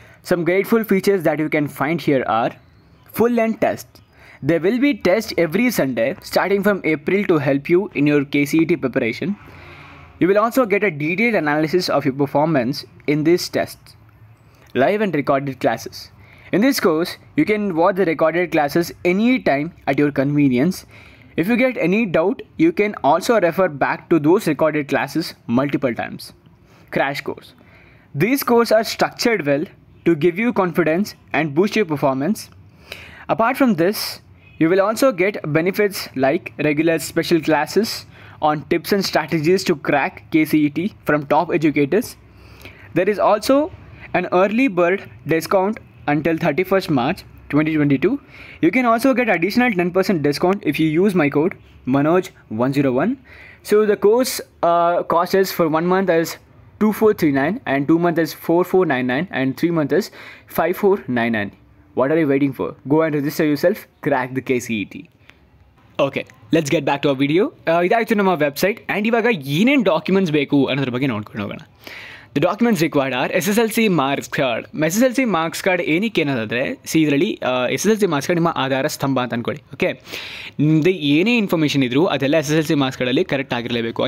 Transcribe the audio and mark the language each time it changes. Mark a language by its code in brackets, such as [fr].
[en] Some grateful features that you can find here are full length test. They will be test every Sunday starting from April to help you in your KCET preparation. You will also get a detailed analysis of your performance in this test live and recorded classes. In this course, you can watch the recorded classes anytime at your convenience. If you get any doubt, you can also refer back to those recorded classes multiple times. Crash course. These courses are structured well to give you confidence and boost your performance. Apart from this, you will also get benefits like regular special classes on tips and strategies to crack KCET from top educators. There is also an early bird discount until 31st March 2022. You can also get additional 10% discount if you use my code Manoj101. So the course cost is for 1 month is 2439 and 2 month is 4499 and 3 month is 5499. What are you waiting for? Go and register yourself. Crack the KCET. Okay, let's get back to our video. [kn] ಇದಾಯಿತು ನಮ್ಮ website and ಇವಾಗ ಏನೇನು documents ಬೇಕು ಅನ್ನೋದ್ರ ಬಗ್ಗೆ ನೋಡ್ಕೊಂಡು ಹೋಗೋಣ. [en] The documents required are SSLC marks card. [kn] SSLC marks card ಏನಕ್ಕೆ ಏನೋದಾದರೆ ಸಿ ಇದರಲ್ಲಿ SSLC ಮಾರ್ಕ್ಸ್ ಕಾರ್ಡ್ ನಿಮ್ಮ ಆಧಾರ ಸ್ತಂಭ ಅಂತ ಅಂದ್ಕೊಳ್ಳಿ. ಓಕೆ, ನಿಮ್ಮದು ಏನೇ ಇನ್ಫಾರ್ಮೇಷನ್ ಇದ್ರೂ ಅದೆಲ್ಲ SSLC ಮಾರ್ಕ್ಸ್ ಕಾರ್ಡಲ್ಲಿ ಕರೆಕ್ಟ್ ಆಗಿರಲೇಬೇಕು.